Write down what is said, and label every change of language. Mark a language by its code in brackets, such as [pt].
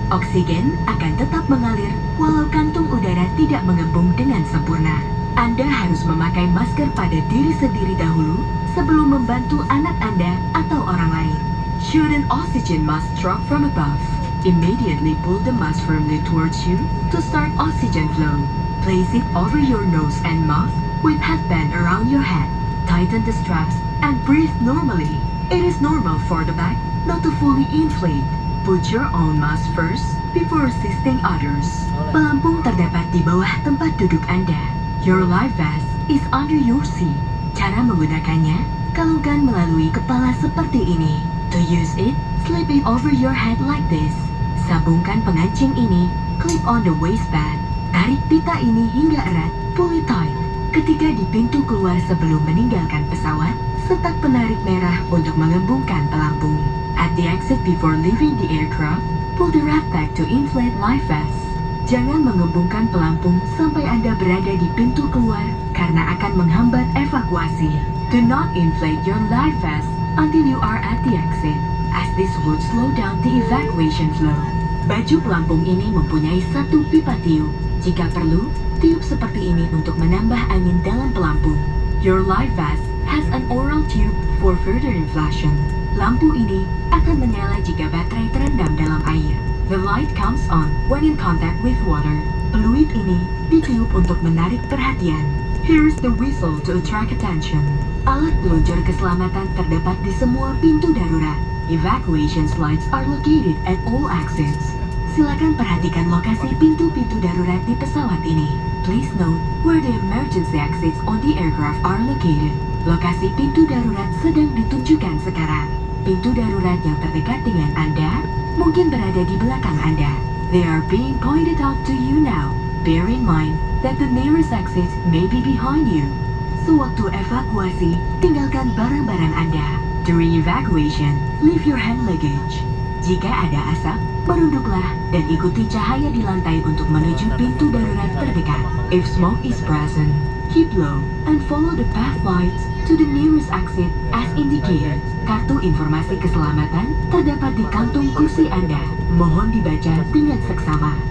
[id] Oksigen akan tetap mengalir walau kantung udara tidak mengembung dengan sempurna. Anda harus memakai masker pada diri sendiri dahulu sebelum membantu anak Anda atau orang lain. [en] Shouldn't oxygen mask drop from above? Immediately pull the mask firmly towards you to start oxygen flow. Place it over your nose and mouth with headband around your head. Tighten the straps and breathe normally. It is normal for the back not to fully inflate. Put your own mask first before assisting others. [id] Pelampung terdapat di bawah tempat duduk Anda. [en] Your life vest is under your seat. [id] Cara menggunakannya, kalungkan melalui kepala seperti ini. [en] To use it, slip it over your head like this. [id] Sambungkan pengancing ini, [en] clip on the waistband. [id] Tarik pita ini hingga erat, [en] pull it tight. [id] Ketika di pintu keluar sebelum meninggalkan pesawat, setak penarik merah untuk mengembungkan pelampung. [en] At the exit before leaving the aircraft, pull the red tag to inflate life vest. [id] Jangan mengembungkan pelampung sampai Anda berada di pintu keluar karena akan menghambat evakuasi. [en] Do not inflate your life vest until you are at the exit. as this would slow down the evacuation flow. [id] Baju pelampung ini mempunyai satu pipa tiup. Jika perlu, tiup seperti ini untuk menambah angin dalam pelampung. [en] Your life vest has an oral tube for further inflation. [id] Lampu ini akan menyala jika baterai terendam dalam air. [en] The light comes on when in contact with water. [id] Peluit ini ditiup untuk menarik perhatian. [en] Here's the whistle to attract attention. [id] Alat peluncur keselamatan terdapat di semua pintu darurat. [en] Evacuation lights are located at all exits. [id] Silakan perhatikan lokasi pintu-pintu darurat di pesawat ini. [en] Please note where the emergency exits on the aircraft are located. [id] Lokasi pintu darurat sedang ditunjukkan sekarang. Pintu darurat yang terdekat dengan Anda mungkin berada di belakang Anda. [en] They are being pointed out to you now. Bear in mind that the nearest exit may be behind you. [id] Sewaktu evakuasi, tinggalkan barang-barang Anda. [en] During evacuation, leave your hand luggage. [id] Jika ada asap, merunduklah dan ikuti cahaya di lantai untuk menuju pintu darurat terdekat. [en] If smoke is present, keep low and follow the path lights to the nearest exit as indicated. [id] Kartu informasi keselamatan terdapat di kantung kursi Anda. Mohon dibaca dengan seksama.